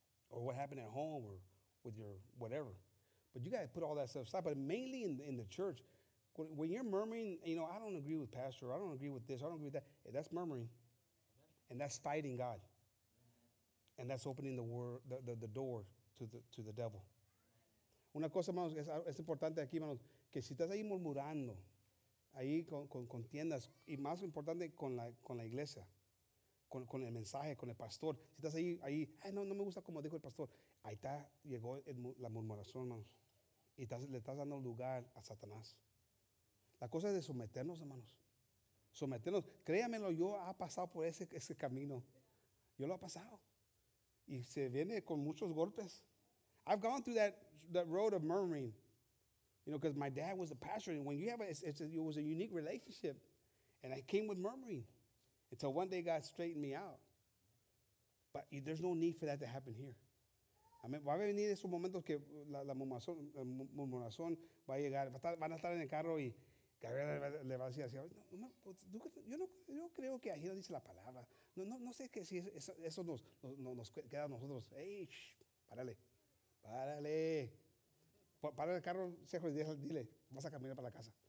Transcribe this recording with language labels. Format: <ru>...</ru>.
<en>Or what happened at home or with your whatever. But you got to put all that stuff aside. But mainly in the church, When you're murmuring, you know, I don't agree with pastor. I don't agree with this. I don't agree with that. Hey, that's murmuring. And that's fighting God. And that's opening the door to the devil.</en> <es>Una cosa, hermanos, es importante aquí, hermanos, que si estás ahí murmurando, ahí con tiendas, y más importante con la iglesia, con el mensaje, con el pastor. Si estás ahí, no me gusta como dijo el pastor. Ahí está, llegó la murmuración, hermanos. Y le estás dando lugar a Satanás. La cosa es de someternos, hermanos. Someternos. Créamelo, yo ha pasado por ese camino. Yo lo he pasado. Y se viene con muchos golpes.</es> <en>I've gone through that road of murmuring. You know, because my dad was a pastor. And when you have it was a unique relationship. And I came with murmuring. Until one day God straightened me out. But there's no need for that to happen here.</en> <es>Amén. Va a venir esos momentos que la murmuración va a llegar. Van a estar en el carro y Gabriel le va a decir así. Yo creo que ahí no dice la palabra. No sé que si eso nos queda a nosotros. Hey, párale. Párale. Párale el carro, Sejo, y dile, vas a caminar para la casa.</es>